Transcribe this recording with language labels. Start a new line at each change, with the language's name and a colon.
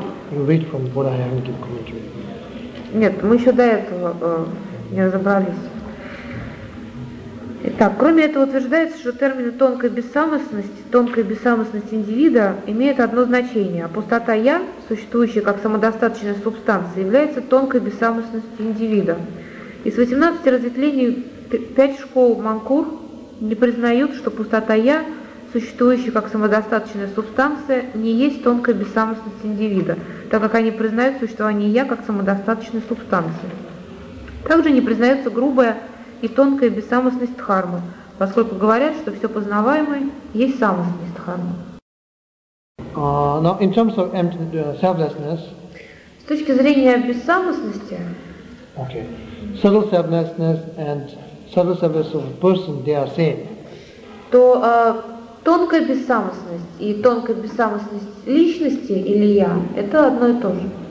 English: You read from what I haven't given commentary.
Russian: Нет, мы еще до этого не разобрались. Итак, кроме этого утверждается, что термины тонкая бессамостность индивида имеют одно значение, а пустота «я», существующая как самодостаточная субстанция, является тонкой бессамостностью индивида. Из 18 разветвлений 5 школ Манкур не признают, что пустота «я», существующая как самодостаточная субстанция, не есть тонкая бессамостность индивида, так как они признают существование «я» как самодостаточной субстанции. Также не признается грубая и тонкая бессамостность дхармы, поскольку говорят, что все познаваемое есть самостность дхармы.
English: Now, in terms of empty, selflessness,
Russian: с точки зрения бессамостности,
English: okay. Subtle selflessness and subtle selflessness of a person, they are same.
Russian: То тонкая бессамостность и тонкая бессамостность личности или я – это одно и то же.